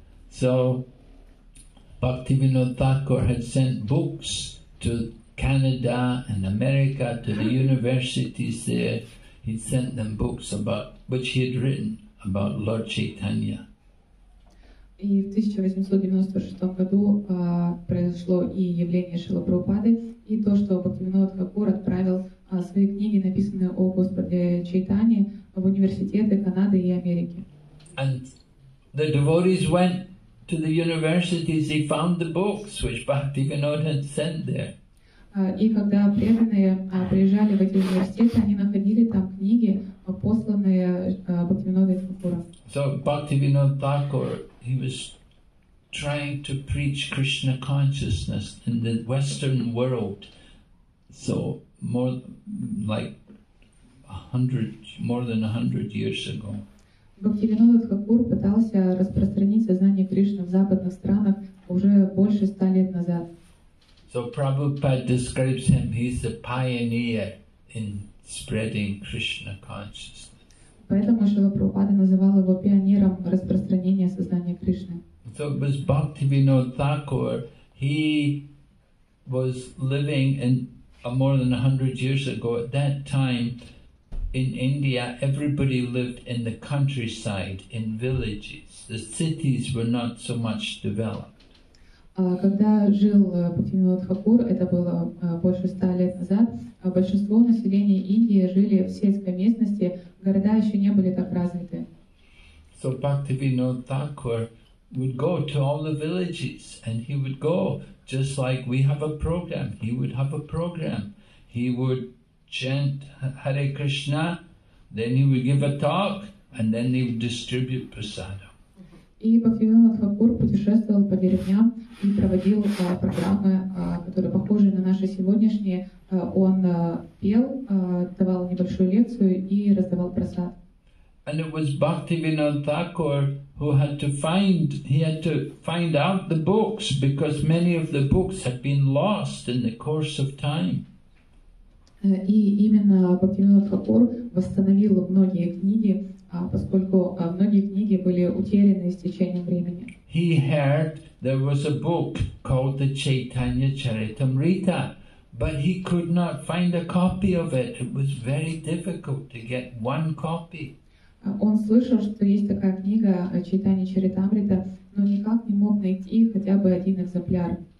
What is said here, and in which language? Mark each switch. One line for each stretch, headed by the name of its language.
English: So, Bhaktivinoda Thakur had sent books to Canada and America, to the universities there. He sent them books about, which he had written about Lord Chaitanya.
Russian: И в 1896 году произошло и явление Шрилы Прабхупады, и то, что Бхактивинода Тхакур отправил свои книги, написанные о Господе Чайтане, в университеты Канады и Америки.
English: And the devotees went to the universities, they found the books which Bhaktivinoda had sent there.
Russian: И когда преданные приезжали в эти университеты, они находили там книги, посланные Бхактивинодой Тхакуром.
English: So Bhaktivinoda Thakur, he was trying to preach Krishna consciousness in the Western world. So more than a hundred years ago.
Russian: Бхактивинода Тхакур пытался распространить сознание Кришны в западных странах уже больше 100 лет назад.
English: So Prabhupada describes him, he's a pioneer in spreading Krishna consciousness.
Russian: Поэтому Шрила Прабхупада называл его пионером распространения сознания Кришны.
English: So it was Bhaktivinoda Thakur. He was living in more than 100 years ago. At that time in India, everybody lived in the countryside, in villages. The cities were not so much developed.
Russian: Когда жил Бхактивинода Тхакур, это было больше 100 лет назад, большинство населения Индии жили в сельской местности. Города еще не были так развиты.
English: So Bhaktivinoda Thakur would go to all the villages and he would go just like we have a program. He would have a program. He would chant Hare Krishna, then he would give a talk and then they would distribute prasadam.
Russian: И Бхактивинода Тхакур путешествовал по деревням и проводил программы, которые похожи на наши сегодняшние. Он пел, давал небольшую лекцию и раздавал просад.
English: And it was Bhaktivinoda Thakur who had to find, he had to find out the books because many of the books had been lost in the course of time.
Russian: И именно Бхактивинода Тхакур восстановил многие книги, поскольку многие книги были утеряны с течением времени.
English: He heard there was a book called the Chaitanya Charitamrita, but he could not find a copy of it. It was very difficult to get one copy.
Russian: Он слышал, что есть такая книга Чайтанья Чаритамрита, но никак не мог найти хотя бы один экземпляр.